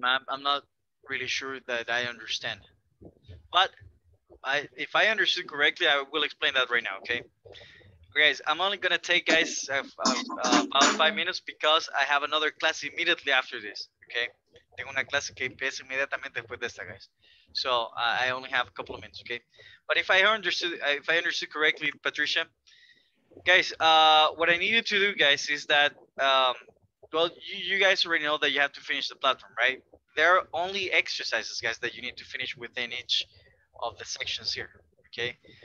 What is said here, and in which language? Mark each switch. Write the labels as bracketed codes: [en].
[en] I'm not really sure that I understand. But if I understood correctly, I will explain that right now, okay? Guys, I'm only gonna take, guys, about 5 minutes because I have another class immediately after this, okay? [es] Tengo una clase que empieza inmediatamente después de esta, guys. [en] So I only have a couple of minutes, okay? But if I understood correctly, Patricia, guys, what I needed to do, guys, is that, well, you guys already know that you have to finish the platform, right? There are only exercises, guys, that you need to finish within each of the sections here, okay?